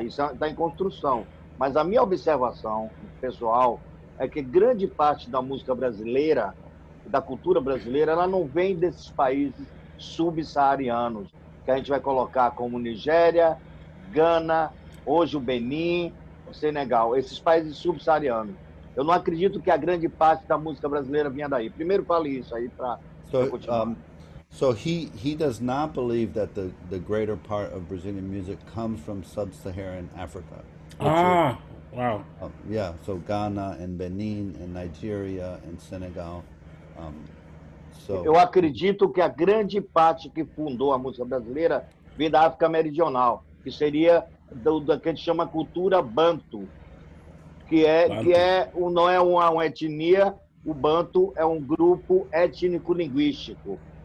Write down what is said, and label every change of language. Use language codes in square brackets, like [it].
[pt] Isso está em construção. Mas a minha observação pessoal é que grande parte da música brasileira, da cultura brasileira, ela não vem desses países subsaarianos, que a gente vai colocar como Nigéria, Gana, hoje o Benin, o Senegal, esses países subsaarianos. Eu não acredito que a grande parte da música brasileira vinha daí. Primeiro fale isso aí para continuar. [en] So he does not believe that the greater part of Brazilian music comes from sub-Saharan Africa. Ah, wow. Yeah, so Ghana and Benin and Nigeria and Senegal. [pt] Eu acredito que a grande parte que fundou a música brasileira vem da África Meridional, que seria do que a gente chama cultura Bantu, não é uma etnia, o Bantu é um grupo étnico-linguístico.